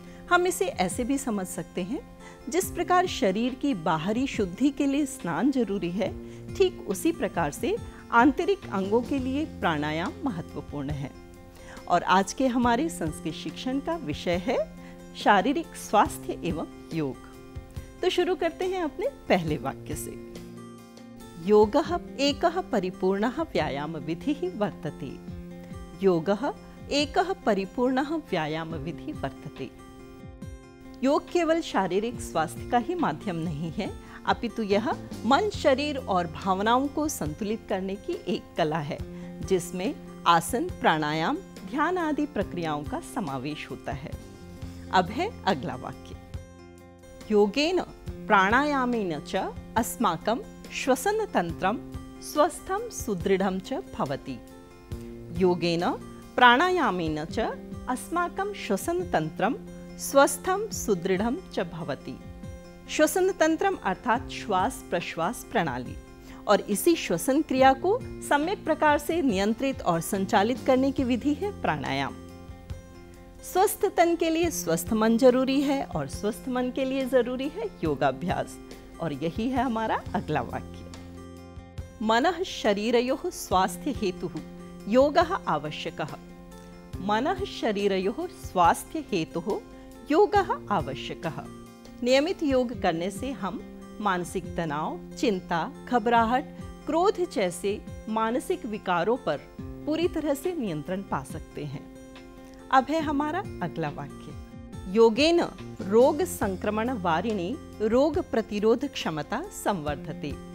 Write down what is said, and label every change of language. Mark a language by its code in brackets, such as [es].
[hi] हम इसे ऐसे भी समझ सकते हैं, जिस प्रकार शरीर की बाहरी शुद्धि के लिए स्नान जरूरी है, ठीक उसी प्रकार से आंतरिक अंगों के लिए प्राणायाम महत्वपूर्ण है। और आज के हमारे संस्कृत शिक्षण का विषय है शारीरिक स्वास्थ्य एवं योग। तो शुरू करते हैं अपने पहले वाक्य से। [sa] योगः एकः परिपूर्णः व्यायाम विधिः वर्तते। योगः एकः परिपूर्णः व्यायाम विधिः वर्तते। [hi] योग केवल शारीरिक स्वास्थ्य का ही माध्यम नहीं है, अपितु यह मन, शरीर और भावनाओं को संतुलित करने की एक कला है, जिसमें आसन, प्राणायाम, ध्यान आदि प्रक्रियाओं का समावेश होता है। अब है अगला वाक्य। [sa] योगेन प्राणायामेन च अस्माकं श्वसन तंत्रम स्वस्थम सुदृढ़म च भवति। योगेन प्राणायामेन च अस्माकं श्वसन तंत्रम स्वस्थम सुदृढ़म च भवति। [hi] श्वसन तंत्रम अर्थात श्वास प्रश्वास प्रणाली, और इसी श्वसन क्रिया को सम्यक प्रकार से नियंत्रित और संचालित करने की विधि है प्राणायाम। स्वस्थ तन के लिए स्वस्थ मन जरूरी है, और स्वस्थ मन के लिए जरूरी है योगाभ्यास। और यही है हमारा अगला वाक्य। [sa] मनः शरीरयोः स्वास्थ्य हेतुः योगः आवश्यकः। मनः शरीरयोः स्वास्थ्य हेतुः योगः आवश्यकः। [hi] नियमित योग करने से हम मानसिक तनाव, चिंता, घबराहट, क्रोध जैसे मानसिक विकारों पर पूरी तरह से नियंत्रण पा सकते हैं। अब है हमारा अगला वाक्य। [sa] योगेन रोग संक्रमण वारिणी रोग प्रतिरोध क्षमता संवर्धते।